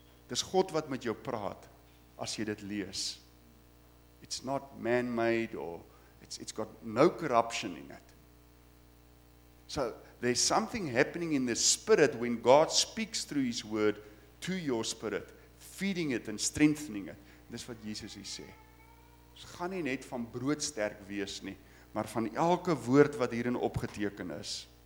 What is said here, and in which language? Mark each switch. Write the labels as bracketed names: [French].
[Afrikaans] Dis God wat met jou praat, as jy dit lees. [English] It's not man-made, or it's got no corruption in it. So, there's something happening in the spirit when God speaks through his word to your spirit, feeding it and strengthening it. [Afrikaans] Dis wat Jesus hier sê. Ons gaan nie net van brood sterk wees nie, maar van elke woord wat hierin opgeteken is.